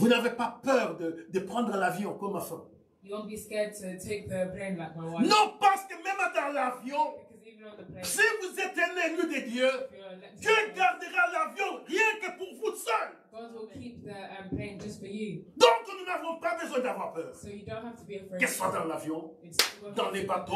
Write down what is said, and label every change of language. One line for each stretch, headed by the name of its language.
French: Vous n'avez pas peur de prendre l'avion comme ma femme.
English: You won't be scared to take the plane like my wife.
French: Non, parce que même dans l'avion,
English: because even on the plane,
French: si vous êtes un élu de Dieu, Dieu gardera l'avion rien que pour vous seul.
English: God will keep the plane just for you.
French: Donc nous n'avons pas besoin d'avoir peur.
English: So you don't have to be afraid.
French: Que ce soit dans l'avion, dans les bateaux,